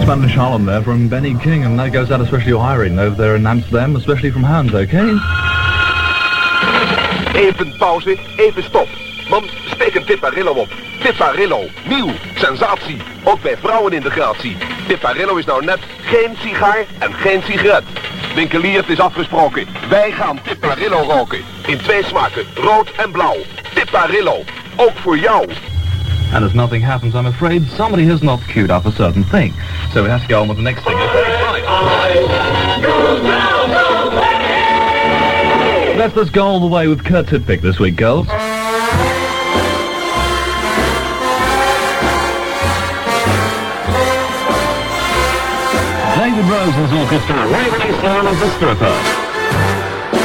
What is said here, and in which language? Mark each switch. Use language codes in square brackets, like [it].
[en] Harlem there from Benny King, and that goes out especially to Irene over there in Amsterdam, especially from Hans, okay? [nl] Even pauze, even stop. Man, steek een Tipparillo op. Tipparillo, nieuw, sensatie, ook bij vrouwen in de gratie. Tipparillo is nou net geen sigaar en geen sigaret. Winkelier, het is afgesproken, wij gaan Tipparillo roken. In twee smaken, rood en blauw. Tipparillo, ook voor jou. [en] And as nothing happens, I'm afraid somebody has not queued up a certain thing. So we have to go on with the next thing. Let us go all the way with Kurt Tidpick this week, girls. David Rose's orchestra, Waverly Sound of the Stripper.